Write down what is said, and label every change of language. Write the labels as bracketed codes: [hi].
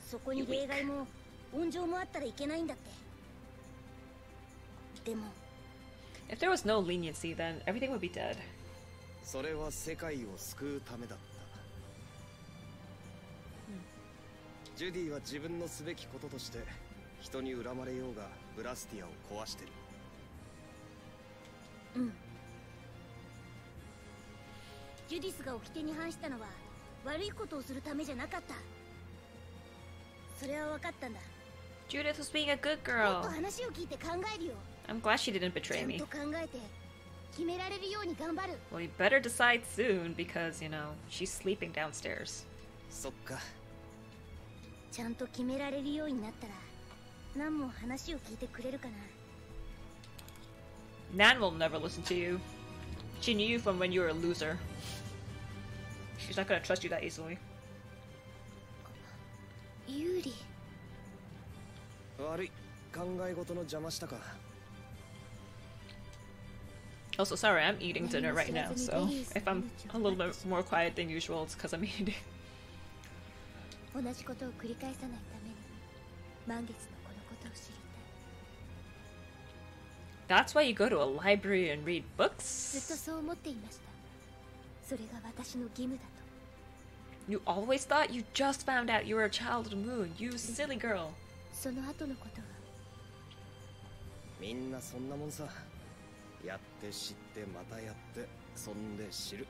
[ja] そこに例外も温情もあったらいけないんだって。でも [en] If there was no leniency, then everything would be dead。 [ja] それは世界を救うためだ。ジュディは自分のすべきこととして人に恨まれようがブラスティアを壊してる。うん。ジュディスが掟に反したのは悪いことをするためじゃなかった。それは分かったんだ。 [en] Judith was being a good girl。 [ja] もっと話を聞いて考えるよ。 [en] I'm glad she didn't betray me。 [ja] ちゃんと考えて決められるように頑張る。 [en] Well, you better decide soon because you know she's sleeping downstairs。 [ja] そっか。ちゃんと決められるようになったら、ナンも話を聞いてくれるかな。 [en] ナン will never listen to you. She knew you from when you were a loser. She's not gonna trust you that easily. [ja] ユーリ。悪い。考え事の邪魔したか。 [en] Also, sorry, I'm eating dinner right now, so if I'm a little bit more quiet than usual, it's because I'm eating. [ja] 同じことを繰り返さないために満月のこのことを知りたい。 [en] That's why you go to a library and read books? [ja] ずっとそう思っていました。それが私の義務だと。 [en] You always thought you just found out you were a child of the moon, you silly girl. [ja] その後のことは。みんなそんなもんさ。やって知ってまたやって、そんで知る。